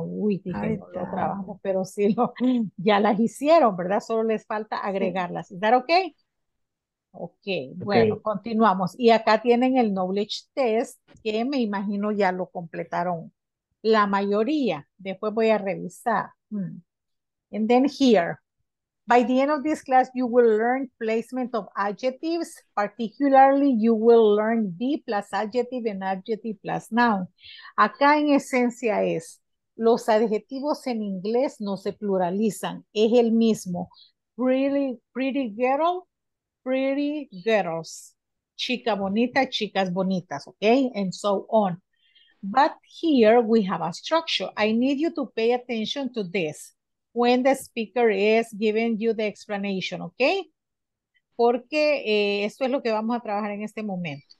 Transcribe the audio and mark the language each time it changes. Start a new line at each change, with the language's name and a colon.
Spanish: Uy, dije, no lo trabajo, pero sí, ya las hicieron, ¿verdad? Solo les falta agregarlas. ¿Está ok? Ok, bueno, okay. Continuamos. Y acá tienen el knowledge test, que me imagino ya lo completaron la mayoría. Después voy a revisar.
English: And then here, by the end of this class, you will learn placement of adjectives. Particularly, you will learn be plus adjective and adjective plus noun.
Spanish: Acá en esencia es, los adjetivos en inglés no se pluralizan. Es el mismo.
English: Pretty girl. Pretty girls,
Spanish: chica bonita, chicas bonitas, okay,
English: and so on. But here we have a structure. I need you to pay attention to this when the speaker is giving you the explanation, okay?
Spanish: Porque esto es lo que vamos a trabajar en este momento.